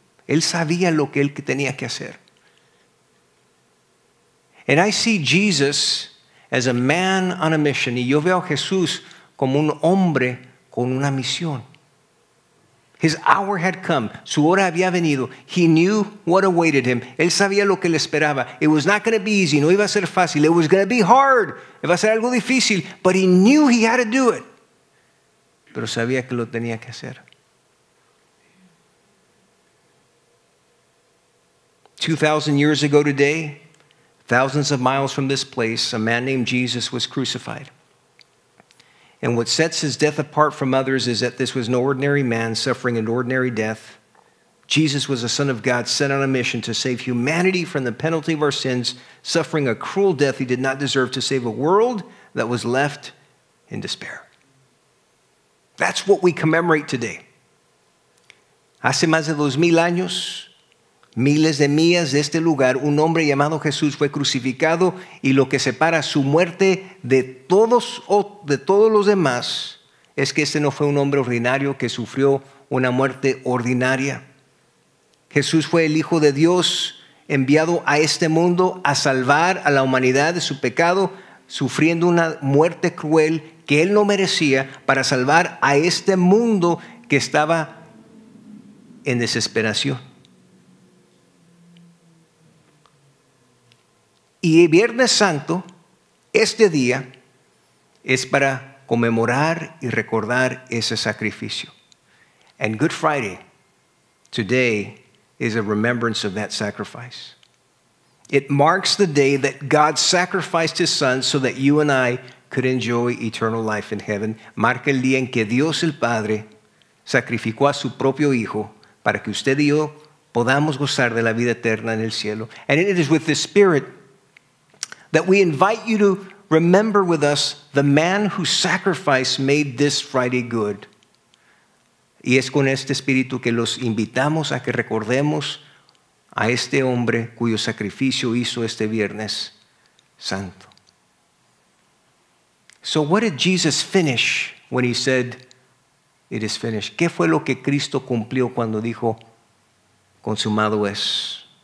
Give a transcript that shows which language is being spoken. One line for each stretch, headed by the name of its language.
Spanish: Él sabía lo que él tenía que hacer.
English: And I see Jesus as a man on a mission.
Spanish: Y yo veo a Jesús como un hombre con una misión.
English: His hour had come.
Spanish: Su hora había venido.
English: He knew what awaited him.
Spanish: Él sabía lo que le esperaba.
English: It was not going to be easy.
Spanish: No iba a ser fácil.
English: It was going to be hard.
Spanish: Iba a ser algo difícil.
English: But he knew he had to do it.
Spanish: Pero sabía que lo tenía que hacer.
English: 2,000 years ago today, thousands of miles from this place, a man named Jesus was crucified. And what sets his death apart from others is that this was no ordinary man suffering an ordinary death. Jesus was the Son of God sent on a mission to save humanity from the penalty of our sins, suffering a cruel death he did not deserve to save a world that was left in despair. That's what we commemorate today.
Spanish: Hace más de 2,000 años, miles de millas de este lugar, un hombre llamado Jesús fue crucificado, y lo que separa su muerte de todos los demás es que este no fue un hombre ordinario que sufrió una muerte ordinaria. Jesús fue el Hijo de Dios enviado a este mundo a salvar a la humanidad de su pecado, sufriendo una muerte cruel que él no merecía, para salvar a este mundo que estaba en desesperación. Y Viernes Santo, este día, es para conmemorar y recordar ese sacrificio.
English: And Good Friday, today, is a remembrance of that sacrifice. It marks the day that God sacrificed his son so that you and I could enjoy eternal life in heaven.
Spanish: Marca el día en que Dios el Padre sacrificó a su propio hijo para que usted y yo podamos gozar de la vida eterna en el cielo.
English: And it is with this spirit that we invite you to remember with us the man whose sacrifice made this Friday good.
Spanish: Y es con este espíritu que los invitamos a que recordemos a este hombre cuyo sacrificio hizo este viernes santo.
English: So what did Jesus finish when he said, "It is finished"?
Spanish: ¿Qué fue lo que Cristo cumplió cuando dijo, "Consumado es"?